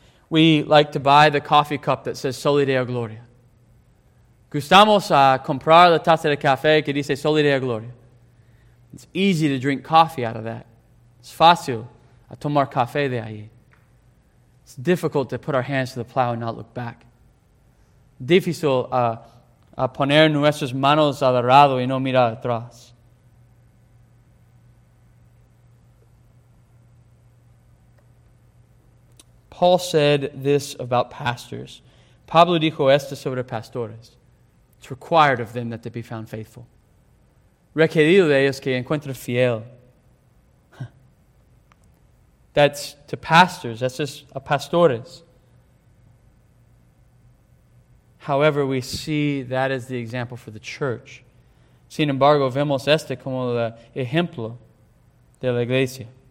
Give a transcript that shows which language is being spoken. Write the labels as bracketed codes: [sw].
[en] We like to buy the coffee cup that says Soli Deo Gloria. [es] Gustamos a comprar la taza de café que dice Soli Deo Gloria. [en] It's easy to drink coffee out of that. It's [es] fácil a tomar café de ahí. [en] It's difficult to put our hands to the plow and not look back. [es] Difícil a poner nuestras manos al arado y no mirar atrás. [en] Paul said this about pastors. [es] Pablo dijo esto sobre pastores. [en] It's required of them that they be found faithful. [es] Requerido de ellos que encuentren fiel. [en] That's to pastors. That's just a pastores. However, we see that as the example for the church. [es] Sin embargo, vemos este como el ejemplo de la iglesia.